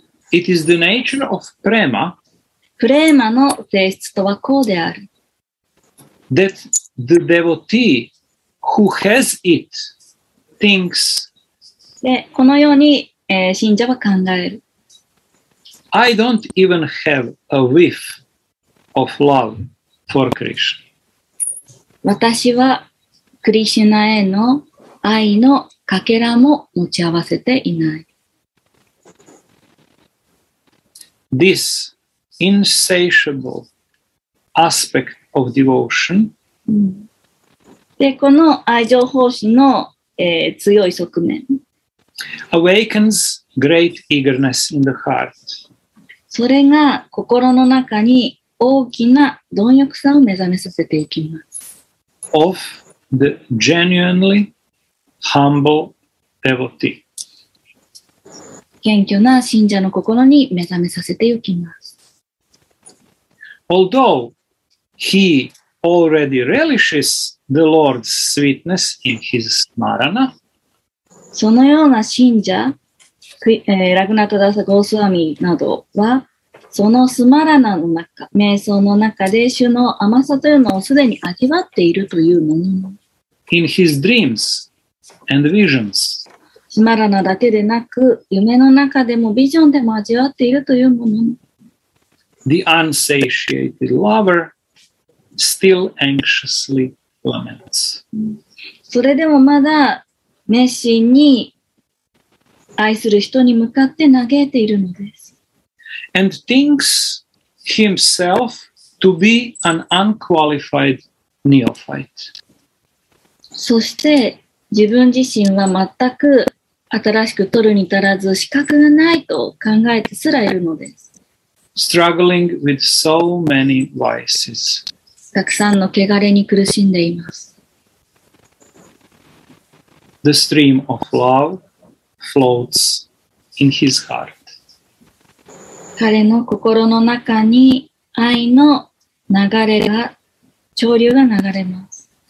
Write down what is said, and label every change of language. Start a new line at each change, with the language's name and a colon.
English: It is the nature of prema.
Japanese: Prema の性質とはこうである。
English: That the devotee who has it thinks.
Japanese: で、このように、信者は考える。
English: I don't even have a whiff of love for Krishna.
Japanese: 私はクリシュナへの愛のかけらも持ち合わせていない。
English: This insatiable aspect of devotion、
Japanese: で、この愛情奉仕の、強い側面
English: awakens great eagerness in the heart.
Japanese: それが心の中に大きな貪欲さを目覚めさせていきます。
English: Of the genuinely humble devotee.
Japanese: 謙虚な信者の心に目覚めさせていきます。
English: Although he already relishes the Lord's sweetness in his smarana,
Japanese: そのような信者、ラグナタダサゴースワミなどは、そのスマラナの中、瞑想の中で主の甘さというのをすでに味わっているというものも。
English: In his dreams and visions.
Japanese: スマラナだけでなく、夢の中でもビジョンでも味わっているというものも。
English: The unsatiated lover still anxiously laments.
Japanese: それでもまだ熱心に愛する人に向かって嘆いているのです。
English: And thinks himself to be an unqualified neophyte.
Japanese: そして自分自身は全く新しく取るに足らず資格がないと考えてすらいるのです。
English: Struggling with so many vices.
Japanese: たくさんの汚れに苦しんでいます。
English: The stream of love floats in his heart.
Japanese: 彼の心の中に愛の流れが、潮流が流れます。